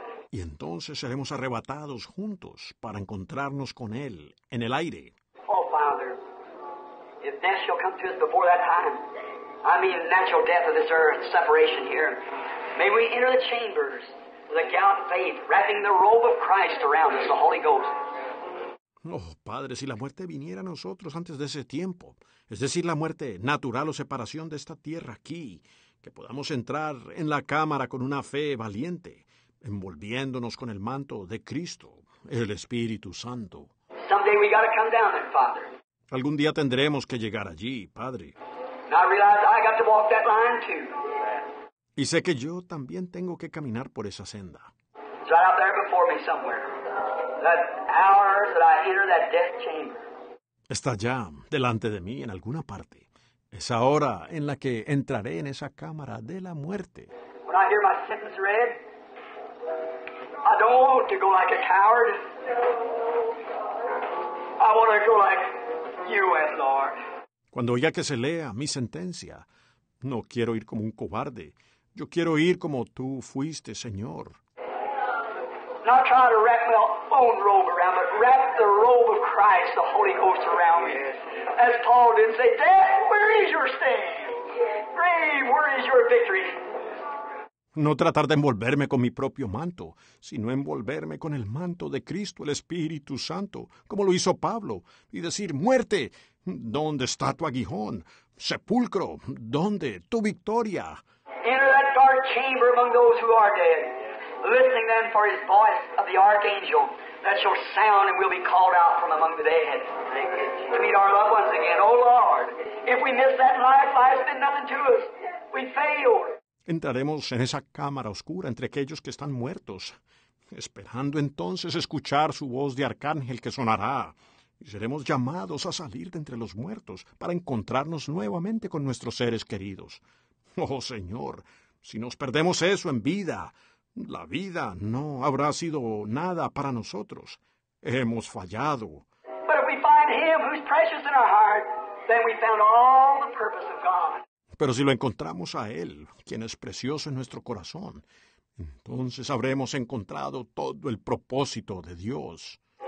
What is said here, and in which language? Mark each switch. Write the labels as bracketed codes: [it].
[es] Y entonces seremos arrebatados juntos para encontrarnos con Él en el aire. [en] Oh, Father, if death shall come to us before that time, I mean natural death of this earth, separation here, may we enter the chambers with a gown of faith, wrapping the robe of Christ around us, the Holy Ghost. [es] Oh, Padre, si la muerte viniera a nosotros antes de ese tiempo, es decir, la muerte natural o separación de esta tierra aquí, que podamos entrar en la cámara con una fe valiente, envolviéndonos con el manto de Cristo, el Espíritu Santo. [en] Someday we gotta come down there, Father. [es] Algún día tendremos que llegar allí, Padre. [en] And I realize I got to walk that line too. [es] Y sé que yo también tengo que caminar por esa senda. [en] It's right out there before me somewhere. That hour that I enter that death chamber. [es] Está ya delante de mí en alguna parte. Esa hora en la que entraré en esa cámara de la muerte. [en] When I hear my sentence read, I don't want to go like a coward. I want to go like you, Lord. [es] Cuando oiga que se lea mi sentencia, no quiero ir como un cobarde. Yo quiero ir como tú fuiste, Señor. [en] No try to wrap my own robe around, but wrap the robe of Christ, the Holy Ghost, around me. As Paul did say, death, where is your sting? Grave, where is your victory? [es] No tratar de envolverme con mi propio manto, sino envolverme con el manto de Cristo, el Espíritu Santo, como lo hizo Pablo, y decir, muerte, ¿dónde está tu aguijón? Sepulcro, ¿dónde tu victoria? [en] Enter that dark chamber among those who are dead, listening then for his voice of the archangel that shall sound and will be called out from among the dead to meet our loved ones again. Oh Lord, if we miss that life, life's been nothing to us. We failed. [es] Entraremos en esa cámara oscura entre aquellos que están muertos, esperando entonces escuchar su voz de arcángel que sonará. Y seremos llamados a salir de entre los muertos para encontrarnos nuevamente con nuestros seres queridos. Oh, Señor, si nos perdemos eso en vida, la vida no habrá sido nada para nosotros. Hemos fallado. [en] But if we find him who's precious in our heart, then we found all the purpose of God. [es] Pero si lo encontramos a Él, quien es precioso en nuestro corazón, entonces habremos encontrado todo el propósito de Dios.